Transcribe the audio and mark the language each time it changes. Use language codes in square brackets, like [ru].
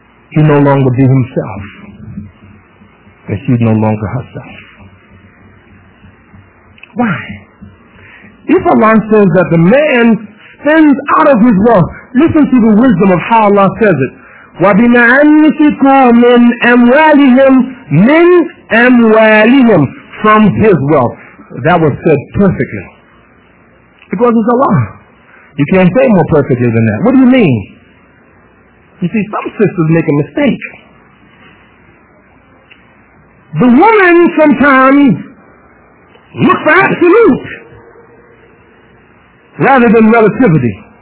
[en] He no longer be himself. And she's no longer herself. Why? If Allah says that the man spends out of his wealth, listen to the wisdom of how Allah says it. [ar] وَبِمَا أَنْفِقُوا مِنْ أَمْوَالِهِمْ مِنْ أَمْوَالِهِمْ [en] from his wealth. That was said perfectly. Because it's Allah. You can't say more perfectly than that. What do you mean? You see, some sisters make a mistake. The woman sometimes looks for absolute rather than relativity.